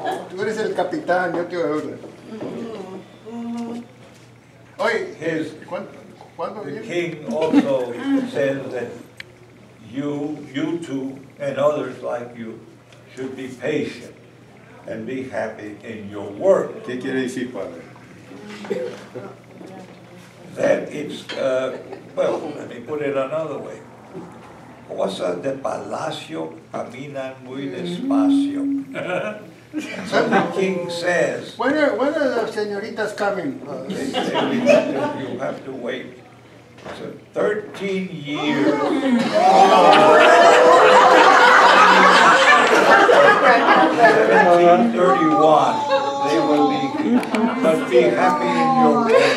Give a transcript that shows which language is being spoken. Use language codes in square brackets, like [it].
[es] Tú eres el capitán, yo te ayudo. Oye, [en] the king also says that you two and others like you should be patient and be happy in your work. [es] ¿Qué quiere decir, padre? [en] That it's, let me put it another way. [es] Cosas de palacio caminan muy despacio. [en] So the king says, When are the señoritas coming? You have to wait. It's a 13 years. In 1731, they will be here. But be happy in your work.